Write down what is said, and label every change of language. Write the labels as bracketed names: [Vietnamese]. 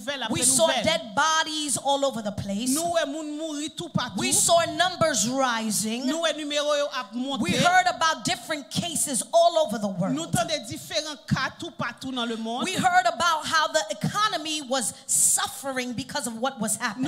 [English] We saw dead bodies all over the place. We saw numbers rising. We heard about different cases all over the world. [French] Nous entendons différents cas tout partout dans le monde. [English] We heard about how the economy was suffering because of what was happening.